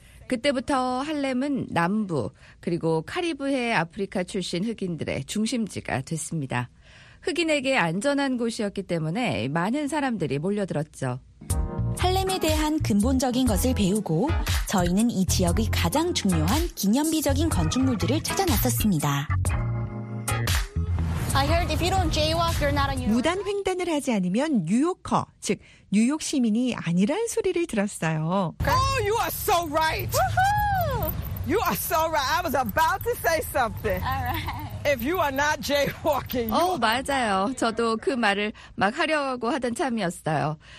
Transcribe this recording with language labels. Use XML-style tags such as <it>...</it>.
<ko>그때부터 할렘은 남부 그리고 카리브해 아프리카 출신 흑인들의 중심지가 됐습니다. 흑인에게 안전한 곳이었기 때문에 많은 사람들이 몰려들었죠. 할렘에 대한 근본적인 것을 배우고 저희는 이 지역의 가장 중요한 기념비적인 건축물들을 찾아 나섰습니다.</ko> <en>I heard if you don't jaywalk, you're not a New.</en> <ko>무단 횡단을 하지 않으면 뉴욕커, 즉 뉴욕 시민이 아니란 소리를 들었어요.</ko> <en>Oh, you are so right. You are so right. I was about to say something. All right. If you are not jaywalking.</en> <ko>맞아요. 저도 그 말을 막 하려고 하던 참이었어요.</ko>